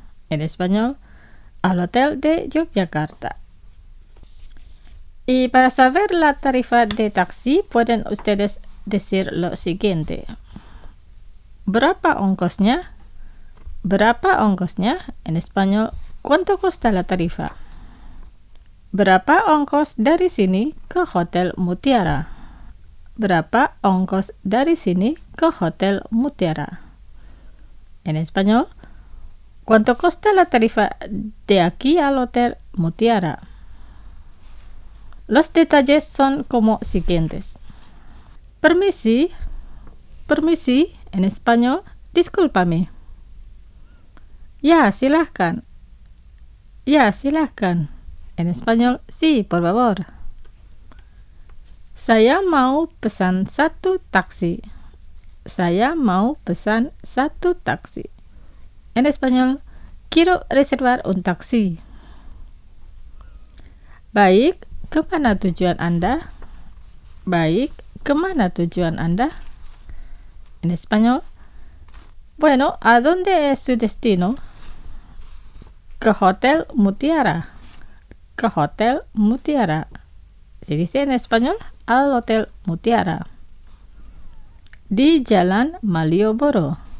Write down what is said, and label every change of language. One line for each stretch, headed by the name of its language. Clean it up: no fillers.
Spanish: En español, al Hotel de Yogyakarta. Y para saber la tarifa de taxi, pueden ustedes decir lo siguiente.
Indonesian: Berapa ongkosnya? Berapa ongkosnya?
Spanish: En español, ¿cuánto cuesta la tarifa?
Indonesian: Berapa ongkos dari sini ke Hotel Mutiara? Berapa ongkos dari sini ke Hotel Mutiara?
Spanish: En español, ¿cuánto cuesta la tarifa de aquí al Hotel Mutiara? Los detalles son como siguientes.
Indonesian: Permisi, permisi.
Spanish: En español, discúlpame.
Indonesian: Ya, silahkan. Ya, silahkan.
Spanish: En español, sí, por favor.
Indonesian: Saya mau pesan satu taxi. Saya mau pesan satu taxi.
Spanish: En español, quiero reservar un taxi.
Indonesian: Baik, kemana tujuan Anda? Baik, kemana tujuan Anda?
Spanish: En español, bueno, ¿a dónde es su destino?
Indonesian: Ke Hotel Mutiara. Ke Hotel Mutiara.
Spanish: Se dice en español, al Hotel Mutiara.
Indonesian: Di Jalan Malioboro.